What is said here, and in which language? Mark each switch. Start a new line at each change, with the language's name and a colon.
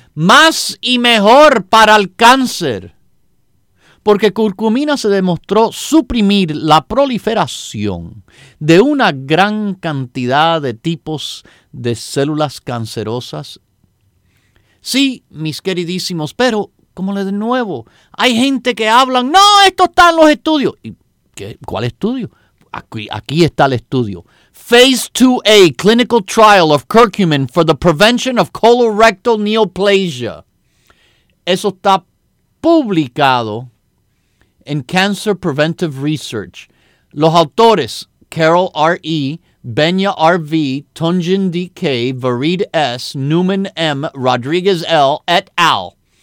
Spanish: Más y mejor para el cáncer. Porque curcumina se demostró suprimir la proliferación de una gran cantidad de tipos de células cancerosas. Sí, mis queridísimos, pero como les de nuevo, hay gente que hablan, no, esto está en los estudios. ¿Y qué? ¿Cuál estudio? Aquí está el estudio.
English: Phase 2A clinical trial of curcumin for the prevention of colorectal neoplasia.
Spanish: Eso está publicado en Cancer Preventive Research. Los autores, Carol R.E., Benya R.V., Tunjin D.K., Vareed S., Newman M., Rodriguez L., et al.